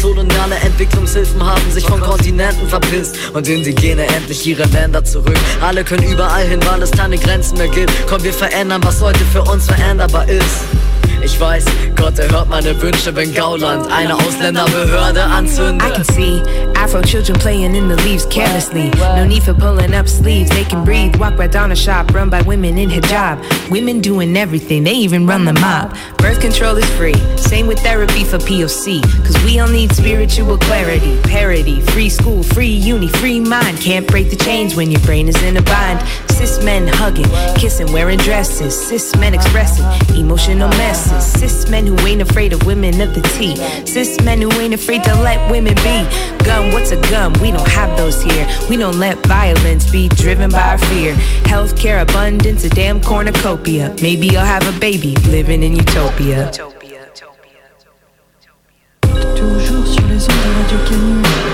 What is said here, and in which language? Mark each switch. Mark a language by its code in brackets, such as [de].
[de] Koloniale Entwicklungshilfen haben sich von Kontinenten verpisst und Indigene endlich ihre Länder zurück. Alle können überall hin, weil es keine Grenzen mehr gibt. Komm, wir verändern, was heute für uns veränderbar ist. Ich weiß, Gott erhört meine Wünsche, wenn Gauland eine Ausländerbehörde anzündet. [en] I can see Afro children playing in the leaves carelessly. No need for pulling up sleeves, they can breathe. Walk right down a shop, run by women in hijab. Women doing everything, they even run the mob. Birth control is free, same with therapy for POC. Cause we all need spiritual clarity, parity. Free school, free uni, free mind. Can't break the chains when your brain is in a bind. Cis men hugging, kissing, wearing dresses. Cis men expressing emotional messes. Cis men who ain't afraid of women of the T. Cis men who ain't afraid to let women be. Gun, what's a gun? We don't have those here. We don't let violence be driven by our fear. Healthcare abundance, a damn cornucopia. Maybe I'll have a baby living in utopia. [fr] Toujours sur les ondes de Radio Canyon.